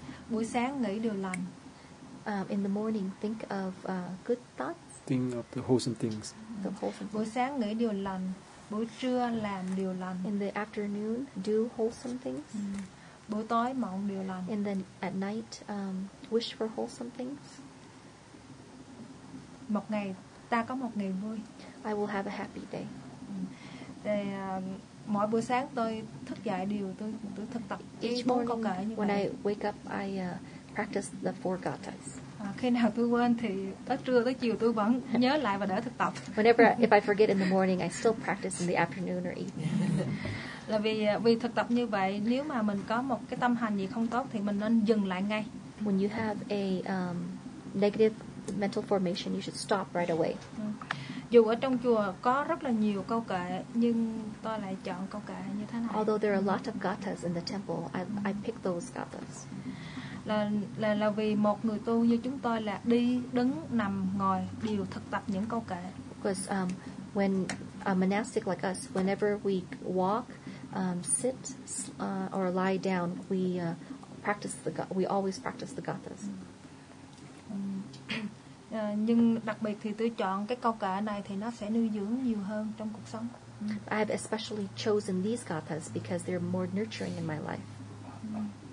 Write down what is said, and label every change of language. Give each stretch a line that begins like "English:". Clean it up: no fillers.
Vietnamese: Buổi sáng nghĩ điều lành.
English: In the morning think of good thoughts. Think of the wholesome things. The wholesome things.
Vietnamese: Buổi sáng nghĩ điều lành, buổi trưa làm điều lành.
English: In the afternoon do wholesome things.
Vietnamese: Buổi tối mộng điều lành.
English: And then at night wish for wholesome things.
Vietnamese: Một ngày ta có một ngày vui.
English: I will have a happy day.
Vietnamese: Thì mỗi buổi sáng tôi thức dậy đều tôi thực tập
English: each morning when I wake up I practice the four gathas.
Vietnamese: Khi nào tôi quên thì tới trưa tới chiều tôi vẫn nhớ lại và đỡ thực tập.
English: Whenever if I forget in the morning I still practice in the afternoon or evening.
Vietnamese: Là vì thực tập như vậy nếu mà mình có một cái tâm hành gì không tốt thì mình nên dừng lại ngay.
English: When you have a negative mental formation, you should stop right away.
Vietnamese: dù ở trong chùa có rất là nhiều câu kệ nhưng tôi lại chọn câu kệ như thế này.
English: Although there are a lot of gathas in the temple, I pick those gathas.
Vietnamese: Là vì một người tu như chúng tôi là đi đứng nằm ngồi đều thực tập những câu kệ.
English: Because when a monastic like us, whenever we walk, sit, or lie down, we practice the we always practice the gathas.
Vietnamese: Nhưng đặc biệt thì tôi chọn cái câu kệ này thì nó sẽ nuôi dưỡng nhiều hơn trong cuộc sống.
English: I have especially chosen these gathas because they're more nurturing in my life.